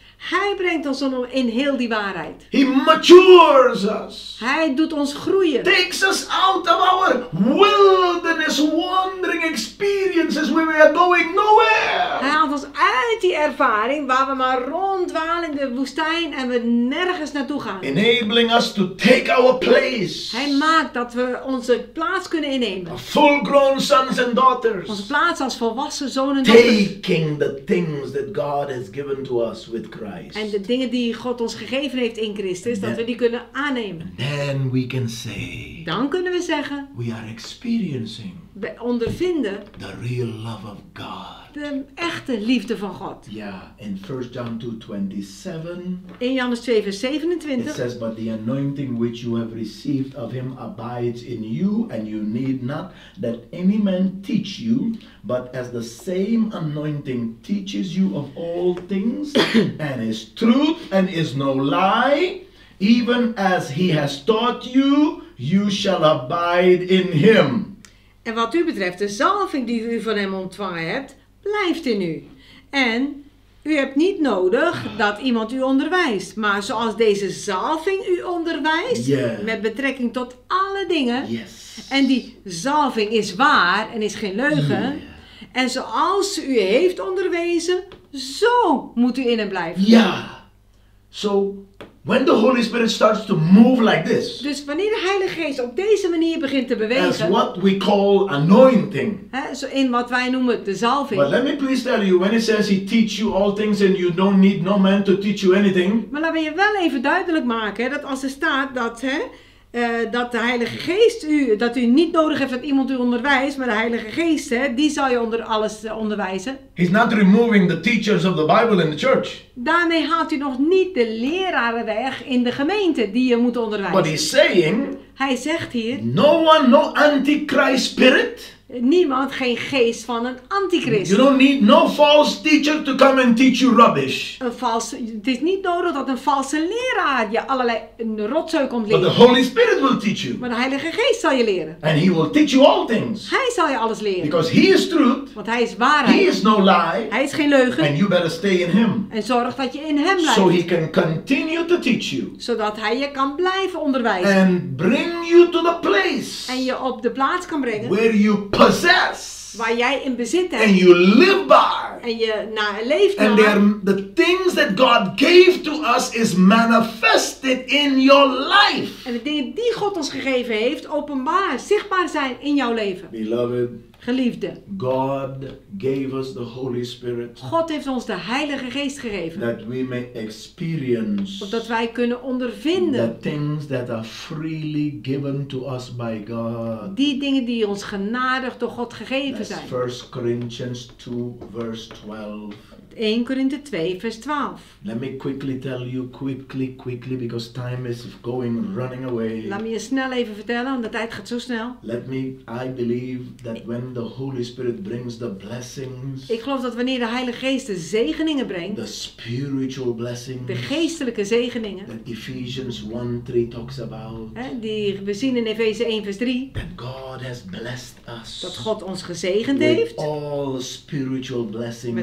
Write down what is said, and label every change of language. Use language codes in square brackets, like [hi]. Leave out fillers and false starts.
[nl] Hij brengt ons in heel die waarheid. [en] He matures us. [nl] Hij doet ons groeien. [en] Takes us out of our wilderness wandering experiences where we are going nowhere. [nl] Hij haalt ons uit die ervaring waar we maar ronddwalen in de woestijn en we nergens naartoe gaan. [en] Enabling us to take our place. [nl] Hij maakt dat we onze plaats kunnen innemen. [en] A full grown sons and daughters. [nl] Onze plaats als volwassen zonen en dochters. [en] Taking the things that God has given to us with Christ. [nl] En de dingen die God ons gegeven heeft in Christus, dat we die kunnen aannemen. [en] Then Then we can say, [nl] dan kunnen we zeggen, [en] we are experiencing, [nl] we ondervinden, [en] the real love of God, [nl] de echte liefde van God. [en] Ja, yeah, in 1 John 2:27. [nl] In Johannes 2 vers 27. [en] It says, but the anointing which you have received of him abides in you, and you need not that any man teach you, but as the same anointing teaches you of all things, and is truth and is no lie, even as he has taught you, you shall abide in him. [nl] En wat u betreft, de zalving die u van hem ontvangen hebt, blijft in u. En u hebt niet nodig dat iemand u onderwijst. Maar zoals deze zalving u onderwijst, yeah, met betrekking tot alle dingen. Yes. En die zalving is waar en is geen leugen. Yeah. En zoals ze u heeft onderwezen, zo moet u in hem blijven. Ja. Yeah. [en] So, when the Holy Spirit starts to move like this. [nl] Dus wanneer de Heilige Geest op deze manier begint te bewegen. [en] As what we call anointing. [nl] Hè, zo in wat wij noemen de zalving. [en] But let me please tell you, when it says he teach you all things and you don't need no man to teach you anything. [nl] Maar laat me je wel even duidelijk maken, hè, dat als er staat dat, hè, dat de Heilige Geest u, dat u niet nodig heeft dat iemand u onderwijst, maar de Heilige Geest, hè, die zal je onder alles onderwijzen. [en] He's not removing the teachers of the Bible in the church. [nl] Daarmee haalt u nog niet de leraren weg in de gemeente die je moet onderwijzen. [en] But he's saying, [nl] hij zegt hier, [en] no one, no antichrist spirit. [nl] Niemand, geen geest van een antichrist. [en] You don't need no false teacher to come and teach you rubbish. [nl] Het is niet nodig dat een valse leraar je allerlei rotzooi komt leren. [en] But the Holy Spirit will teach you. [nl] Maar de Heilige Geest zal je leren. [en] And he will teach you all things. [nl] Hij zal je alles leren. [en] Because he is truth. [nl] Want hij is waarheid. [en] He is no lie. [nl] Hij is geen leugen. [en] And you better stay in him. [nl] En zorg dat je in hem blijft. [en] So he can continue to teach you. [nl] Zodat hij je kan blijven onderwijzen. [en] And bring you to the place. [nl] En je op de plaats kan brengen. [en] Where you possess, [nl] waar jij in bezit hebt. [en] And you live by, [nl] en je naar leeft [en] and [nl] naar. [en] And the things that God gave to us is manifested in your life. [nl] En de dingen die God ons gegeven heeft, openbaar, zichtbaar zijn in jouw leven. [en] Beloved, [nl] geliefde, [en] God gave us the Holy Spirit. [nl] God heeft ons de Heilige Geest gegeven. [en] That we may experience, [nl] opdat wij kunnen ondervinden, [en] the things that are freely given to us by God. [nl] Die dingen die ons genadig door God gegeven [en] That's [nl] zijn. [en] 1 Corinthians 2 verse 12. [nl] 1 Korinthe 2 vers 12. [en] Let me quickly tell you quickly because time is going running away. [nl] Laat me je snel even vertellen, want de tijd gaat zo snel. [en] Let me, I believe that when the Holy Spirit brings the blessings. [nl] Ik geloof dat wanneer de Heilige Geest de zegeningen brengt. [en] The spiritual blessings. [nl] De geestelijke zegeningen. [en] That Ephesians 1:3 talks about. [nl] Hè, die we zien in Efeze 1 vers 3. [en] That God has blessed us. [nl] Dat God ons gezegend heeft. [en] With all spiritual blessings.